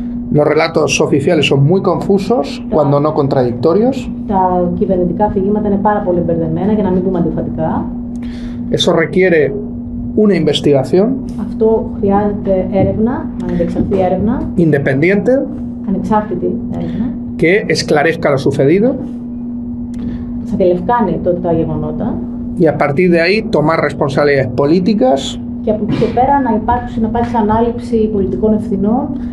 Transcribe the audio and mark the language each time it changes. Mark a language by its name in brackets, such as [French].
[Spanish] Los relatos oficiales son muy confusos, cuando no contradictorios. [Greek] Τα κυβερνητικά αφηγήματα είναι πάρα πολύ μπερδεμένα, για να μην πούμε αντιφατικά. [Spanish] Eso requiere una investigación. [Greek] Αυτό χρειάζεται έρευνα, ανεξαρτητή έρευνα. [Spanish] Independiente. [Greek] Ανεξάρτητη έρευνα. [Spanish] Que esclarezca lo sucedido. [Greek] Θα διελευκάνει τότε τα γεγονότα. [Spanish] Y a partir de ahí tomar responsabilidades políticas [Greek] και από εκεί και πέρα να υπάρξει ανάληψη πολιτικών ευθυνών